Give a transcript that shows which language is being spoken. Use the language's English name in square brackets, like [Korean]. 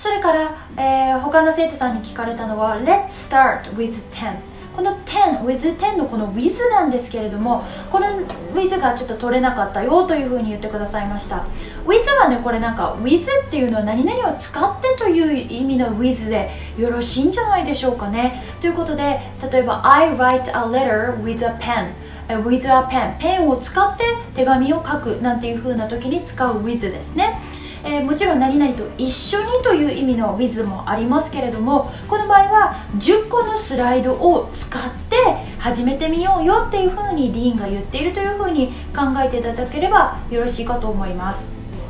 [Japanese] それから、他の生徒さんに聞かれたのは [English] Let's start with 10。 [Japanese] この10、with 10のこの with なんですけれども、この with がちょっと取れなかったよというふうに言ってくださいました。 with はね、これなんか with っていうのは何々を使ってという意味の with でよろしいんじゃないでしょうかね。ということで、例えば [English] I write a letter with a pen。 with a pen。 [Japanese] ペンを使って手紙を書くなんていうふうな時に使う with ですね。もちろん何々と一緒にという意味の with もありますけれども、この場合は10個のスライドを使って始めてみようよっていうふうにディーンが言っているというふうに考えていただければよろしいかと思います。